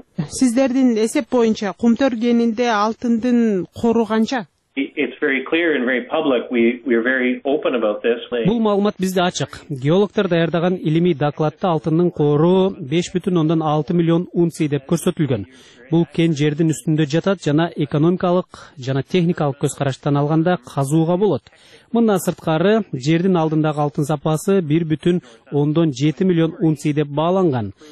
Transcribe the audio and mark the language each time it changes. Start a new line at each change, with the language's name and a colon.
Kyrgyz: Сиздердин эсеп боюнча Кумтур кенинде алтындын кору канча?
English: It's very clear and very public. We're very open about this.
Kyrgyz: Бул маалымат бизде ачык. Геологтор даярдаган илимий докладта алтындын кору 5.6 миллион унций деп көрсөтүлгөн. Бул кен жердин үстүндө жатат жана экономикалык жана техникалык көз караштан алганда казууга болот. Мындан сырткары жердин алдындагы алтын запасы 1.7 миллион унций деп бааланган.